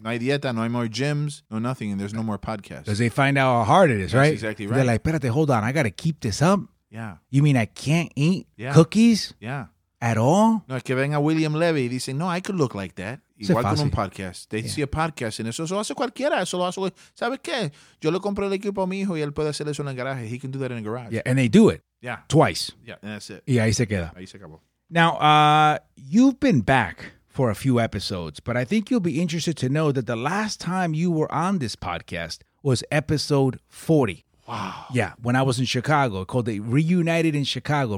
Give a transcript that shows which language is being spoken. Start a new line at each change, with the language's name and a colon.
Spanish: No hay dieta, no hay
English: more gyms, no nothing, and there's no more podcasts. Because they find out how hard it is, that's right? That's exactly right. They're like,
Spanish: espérate,
English: hold on, I got to keep this up? Yeah. You mean I can't eat cookies? Yeah. At all?
Spanish: No, que venga William Levy, dice, no,
English: I could look like that.
Spanish: Igual con un podcast.
English: They see a podcast, and
Spanish: eso lo hace cualquiera. Eso lo hace, ¿sabes qué? Yo le compré el equipo a mi hijo, y él puede hacer eso en el garaje.
English: He can do that in a garage. Yeah, and they do it. Yeah. Twice. Yeah, and that's it.
Spanish: Y ahí se queda. Ahí se acabó.
English: Now, you've been back for a few episodes, but I think you'll be interested to know that the last time you were on this podcast was episode 40. Wow. Yeah, when I was in Chicago, called the Reunited in Chicago.